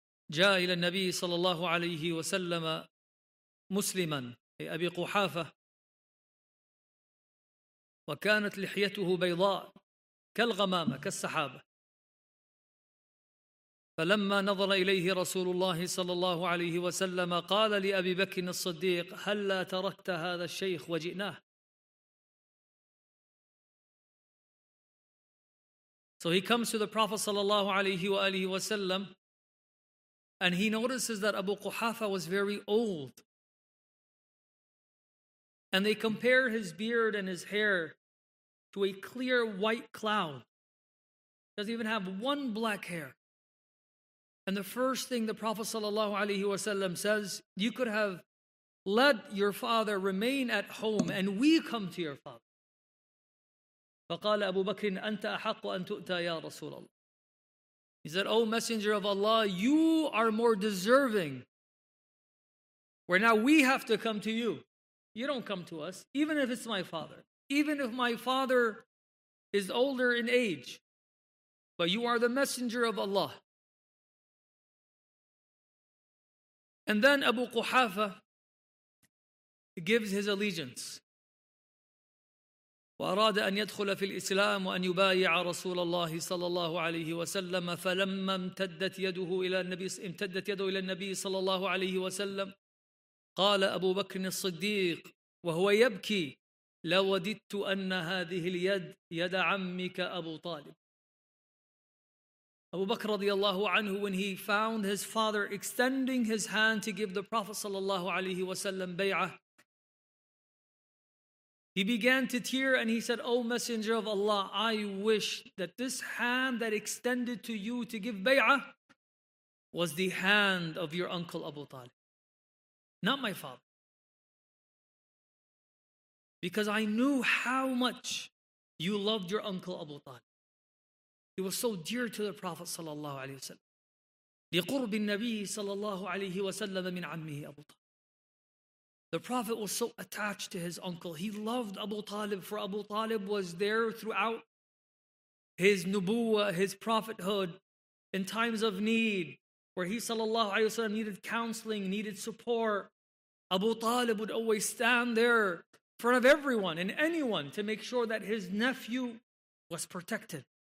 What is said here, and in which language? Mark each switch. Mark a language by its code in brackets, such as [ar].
[ar] جاء إلى النبي صلى الله عليه وسلم مسلما أبي قحافة وكانت لحيته بيضاء كالغمامة كالسحابة فلما نظر إليه رسول الله صلى الله عليه وسلم قال لأبي بكر الصديق هلا تركت هذا الشيخ وجئناه. [en] So he comes to the Prophet صلى الله عليه وآله وسلم and he notices that Abu Quhafa was very old. And they compare his beard and his hair to a clear white cloud. Doesn't even have one black hair. And the first thing the Prophet sallallahu alaihi wasallam says, you could have let your father remain at home and we come to your father. [ar] فقال أبو بكر أنت أحق أن تؤتى يا رسول الله. [en] He said, O Messenger of Allah, you are more deserving. Where now we have to come to you. You don't come to us, even if it's my father. Even if my father is older in age. But you are the Messenger of Allah. And then Abu Quhafa gives his allegiance. [ar] وأراد أن يدخل في الإسلام وأن يبايع رسول الله صلى الله عليه وسلم فلما امتدت يده إلى النبي صلى الله عليه وسلم قال أبو بكر الصديق وهو يبكي لوددت أن هذه اليد يد عمك أبو طالب. [en] أبو بكر رضي الله عنه, when he found his father extending his hand to give the Prophet صلى الله عليه وسلم بيعه, he began to tear and he said, O Messenger of Allah, I wish that this hand that extended to you to give bay'ah was the hand of your uncle Abu Talib, not my father. Because I knew how much you loved your uncle Abu Talib. He was so dear to the Prophet sallallahu alayhi wa sallam. [ar] لقرب النبي صلى الله عليه وسلم من عمه أبو طالب. [en] The Prophet was so attached to his uncle. He loved Abu Talib, for Abu Talib was there throughout his nubuwah, his prophethood, in times of need, where he sallallahu alayhi wa sallam needed counseling, needed support. Abu Talib would always stand there in front of everyone and anyone to make sure that his nephew was protected.